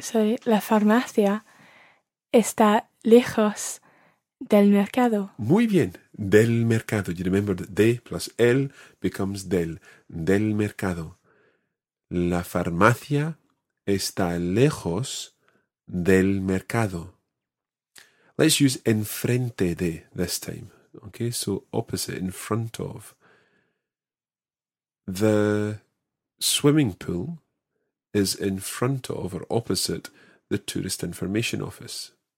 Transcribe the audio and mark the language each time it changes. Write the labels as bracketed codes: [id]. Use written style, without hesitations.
[es] Sorry, la farmacia está lejos del mercado. Muy bien. Del mercado. [en] You remember that de plus el becomes del. [es] Del mercado. La farmacia está lejos del mercado. [en] Let's use enfrente de this time. Okay, so opposite, in front of. The swimming pool is in front of or opposite the tourist information office.